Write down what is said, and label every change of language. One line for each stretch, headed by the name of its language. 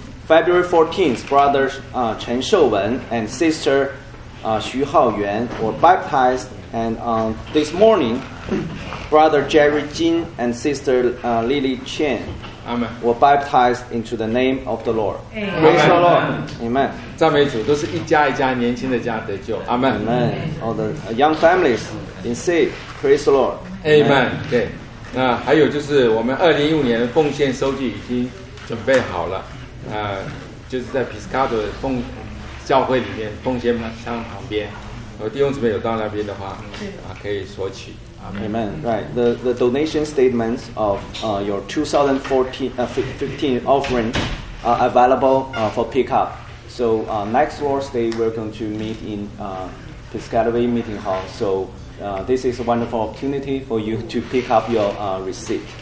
English: February 14th, brothers, Chen Shouwen and sister, Xu Haoyuan were baptized, and this morning, brother Jerry Jin and sister Lily Chen, Amen. were baptized into the name of the Lord. Praise the Lord. Amen.
Chinese: 赞美主，都是一家一家年轻的家得救。阿门。
English: Amen. All the young families been saved. Praise the Lord. Amen.
Chinese: 对，那还有就是我们2015年奉献收据已经准备好了，就是在 Piscato 奉教会里面奉献箱旁边，如果弟兄姊妹有到那边的话，可以索取。
English: Amen. Right. The donation statements of your 2015 offering are available for pickup. So next Lord's Day, we're going to meet in Piscataway Meeting Hall. So this is a wonderful opportunity for you to pick up your receipt.